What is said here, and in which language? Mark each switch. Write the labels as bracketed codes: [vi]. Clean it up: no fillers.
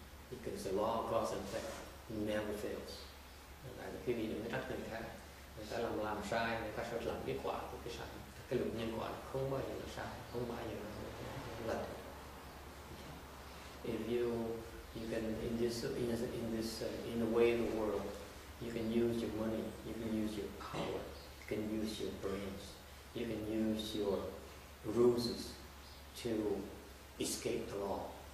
[en] Because the law of cause and effect never fails. [vi] Tại vì khi mình đừng trách người khác, người ta làm sai, người ta sẽ làm kết quả của cái sai. Cái luật nhân quả không bao giờ là sai, không bao giờ là lật. [en] If you can in the way of the world, you can use your money, you can use your power, you can use your brains, you can use your ruses to escape the law.